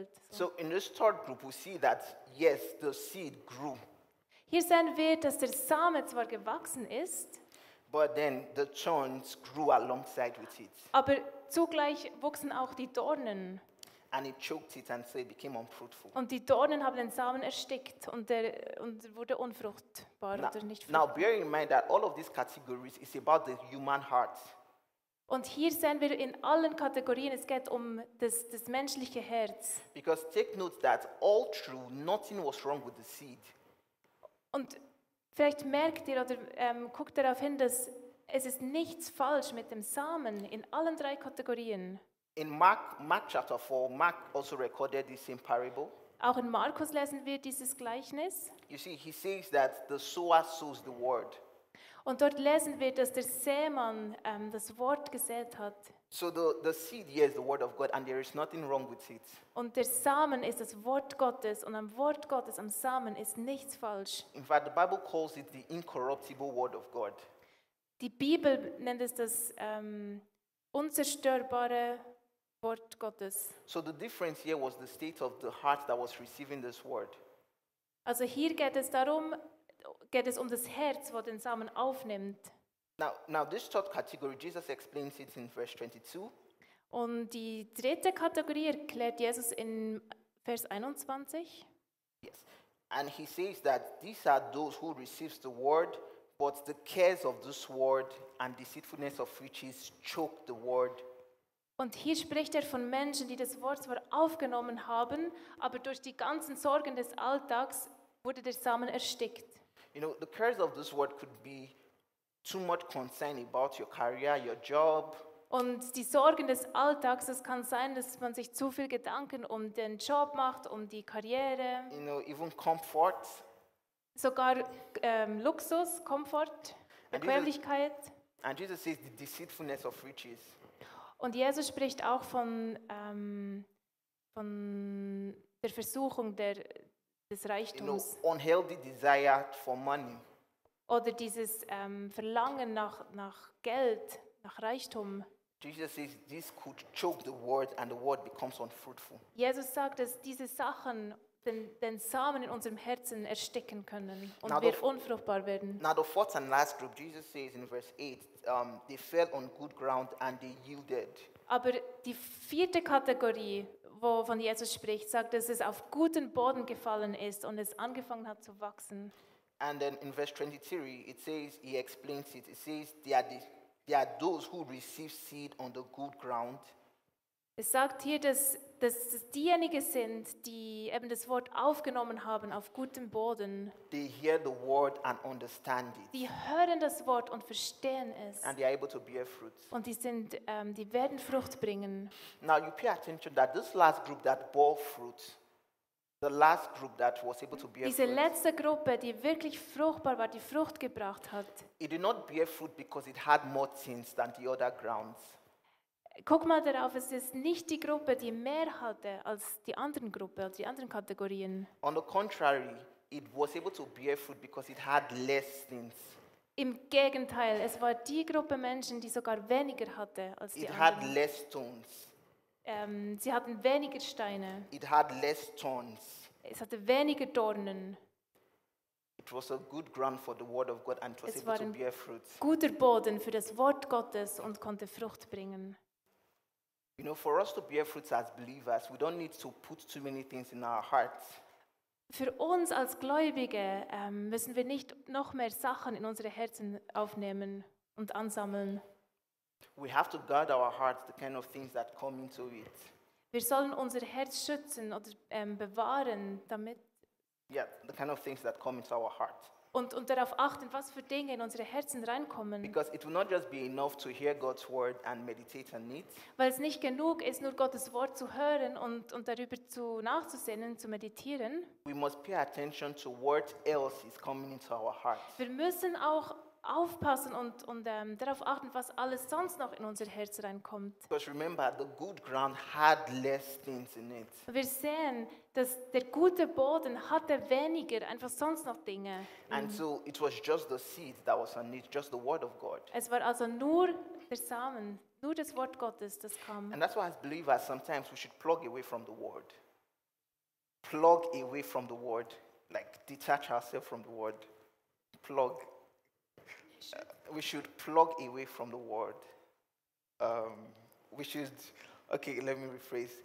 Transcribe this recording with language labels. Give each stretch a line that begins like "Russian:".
English: So in this third group we see that yes, the seed grew.
German: Hier sehen wir, dass der Same zwar gewachsen ist,
English: but then the thorns grew alongside with it.
German: Aber zugleich wuchsen auch die Dornen.
English: And it choked it and so it became unfruitful.
German: Und die Dornen haben den Samen erstickt und wurde unfruchtbar oder nicht fruchtbar.
English: Now bear in mind that all of these categories is about the human heart.
German: Und hier sehen wir in allen Kategorien, es geht um das menschliche Herz.
English: Because take note that all true, nothing was wrong with the seed.
German: Und vielleicht merkt ihr oder guckt darauf hin, dass es ist nichts falsch mit dem Samen in allen drei Kategorien.
English: In Mark chapter 4, Mark also recorded the same parable.
German: Auch in Markus lesen wir dieses Gleichnis.
English: You see, he says that the sower sows the word.
German: Und dort lesen wir, dass der Sämann das Wort gesät hat.
English: So the seed, yes, the word of God, and there is nothing wrong with it.
German: Und der Samen ist das Wort Gottes, und am Wort Gottes, am Samen, ist nichts falsch.
English: In fact, the Bible calls it the incorruptible word of God.
German: Die Bibel nennt es das unzerstörbare Wort Gottes.
English: So the difference here was the state of the heart that was receiving this word.
German: Also hier geht es um das Herz, wo den Samen aufnimmt.
English: Now this third category, Jesus explains it in verse 22.
German: Und die dritte Kategorie erklärt Jesus in Vers 21.
English: Yes, and he says that these are those who receive the word, but the cares of this world and deceitfulness of riches choke the word.
German: Und hier spricht er von Menschen, die das Wort zwar aufgenommen haben, aber durch die ganzen Sorgen des Alltags wurde der Samen erstickt.
English: You know, the cares of this world could be too much concern about your career, your job.
German: Und die Sorgen des Alltags, es kann sein, dass man sich zu viel Gedanken um den Job macht, um die Karriere.
English: You know, even comfort.
German: Sogar Luxus, Komfort, Bequemlichkeit.
English: And Jesus says the deceitfulness of riches.
German: Und Jesus spricht auch von der Versuchung des Reichtums.
English: You know, unhealthy desire for money.
German: Oder dieses Verlangen nach Geld, nach Reichtum.
English: Jesus says this could choke the word and the word becomes unfruitful.
German: Jesus sagt, dass diese Sachen den Samen in unserem Herzen ersticken können und wir unfruchtbar werden.
English: Now the fourth and last group, Jesus says in verse 8, they fell on good ground and they yielded.
German: Aber die vierte Kategorie, wovon Jesus spricht, sagt, dass es auf guten Boden gefallen ist und es angefangen hat zu wachsen.
English: And then in verse 23, it says, he explains it. It says, there are those who receive seed on the good ground.
German: Es sagt hier, dass diejenigen sind, die eben das Wort aufgenommen haben auf gutem Boden.
English: They hear the word and understand it.
German: Die hören das Wort und verstehen es.
English: And they are able to bear fruit.
German: Und die werden Frucht bringen.
English: Now you pay attention that this last group that bore fruit, the last group that was able to bear fruit.
German: Diese letzte Gruppe, die wirklich fruchtbar war, die Frucht gebracht hat.
English: It did not bear fruit because it had more sins than the other grounds.
German: Guck mal darauf, es ist nicht die Gruppe, die mehr hatte als die anderen Gruppe, als die anderen Kategorien.
English: On the contrary, it was able to bear fruit because it had less sins.
German: Im Gegenteil, es war die Gruppe Menschen, die sogar weniger hatte als die
English: it
German: anderen.
English: It had less stones.
German: Sie hatten weniger Steine.
English: It had less thorns.
German: Es hatte weniger Dornen.
English: It was a good ground for the word of God and was able to bear fruit.
German: Es war ein guter Boden für das Wort Gottes und konnte Frucht bringen.
English: You know, for us to bear fruits as believers, we don't need to put too many things in our hearts.
German: Für uns als Gläubige müssen wir nicht noch mehr Sachen in unsere Herzen aufnehmen und ansammeln.
English: We have to guard our hearts, the kind of things that come into it.
German: Wir sollen unser Herz schützen oder bewahren, damit.
English: Yeah, the kind of things that come into our heart.
German: Und darauf achten, was für Dinge in unsere Herzen reinkommen.
English: Because it will not just be enough to hear God's word and meditate on it.
German: Weil es nicht genug ist, nur Gottes Wort zu hören und darüber zu nachzusinnen, zu meditieren.
English: We must pay attention to what else is coming into our heart.
German: Wir müssen auch aufpassen und darauf achten, was alles sonst noch in unser Herz reinkommt.
English: Because remember, the good ground had less things in it.
German: Wir sehen, dass der gute Boden hatte weniger, einfach sonst noch Dinge.
English: And so it was just the seed that was on it, just the word of God.
German: Es war also nur der Samen, nur das Wort Gottes, das kam.
English: And that's why as believers, sometimes we should plug away from the word. Plug away from the word. Like detach ourselves from the word. Plug. We should plug away from the word. Let me rephrase.